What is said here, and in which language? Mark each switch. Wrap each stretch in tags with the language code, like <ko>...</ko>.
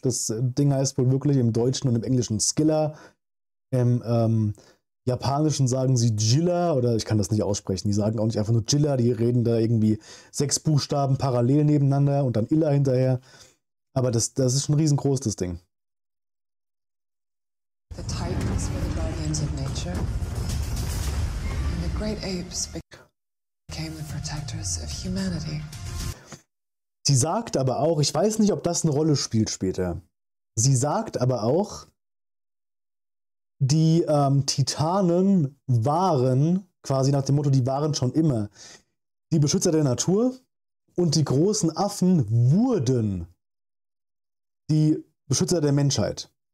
<de>Das Ding heißt wohl wirklich im Deutschen und im Englischen Skiller. Im Japanischen sagen sie Jilla, oder ich kann das nicht aussprechen. Die sagen auch nicht einfach nur Jilla, die reden da irgendwie sechs Buchstaben parallel nebeneinander und dann Illa hinterher. Aber das ist schon riesengroß, das Ding.</de> <en>The Titans were the guardians of nature. And the great apes became the protectors of humanity.</en> <de>Sie sagt aber auch, ich weiß nicht, ob das eine Rolle spielt später. Sie sagt aber auch, die Titanen waren, quasi nach dem Motto, die waren schon immer die Beschützer der Natur und die großen Affen wurden die Beschützer der Menschheit.</de>